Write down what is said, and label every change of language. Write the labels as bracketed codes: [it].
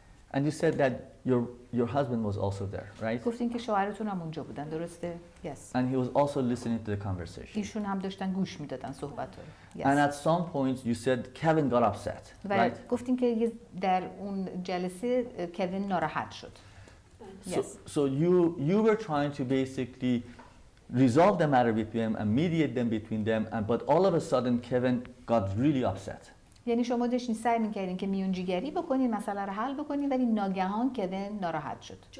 [en] And you said that your husband was also there, right? [fa] گفتین که شوهرتون هم اونجا بودن، درسته؟ [en] Yes. And he was also listening to the conversation. [fa] ایشون هم داشتن گوش میدادن صحبت رو. [en] Yes. And at some point you said Kevin got upset, right? [fa] گفتین که در اون جلسه کوین ناراحت شد. [en] So you were trying to basically resolve the matter between them and mediate them between them and but all of a sudden Kevin got really upset. [fa] یعنی شما داشتین سعی می‌کردین که میونجیگری بکنین مسئله رو حل بکنین ولی ناگهان کوین ناراحت شد.